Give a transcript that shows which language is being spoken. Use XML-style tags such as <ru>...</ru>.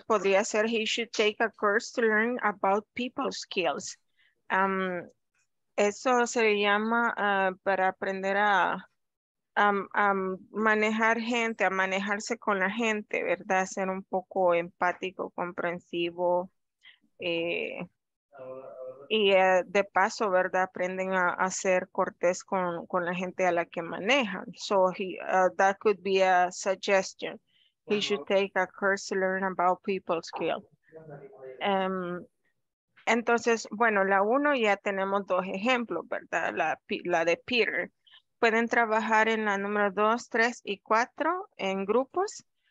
<es>Podría ser</es> <en>he should take a course to learn about people skills.</en> <es>Eso se le llama para aprender a manejar gente, a manejarse con la gente, ¿verdad? Ser un poco empático, comprensivo. De paso, ¿verdad? Aprenden a ser cortés con la gente a la que manejan.</es> <en>So that could be a suggestion. He should take a course to learn about people skills.</en> <es>Entonces, bueno, la uno ya tenemos dos ejemplos, ¿verdad? La de Peter. Pueden trabajar en la número 2, 3 y 4 en grupos.</es>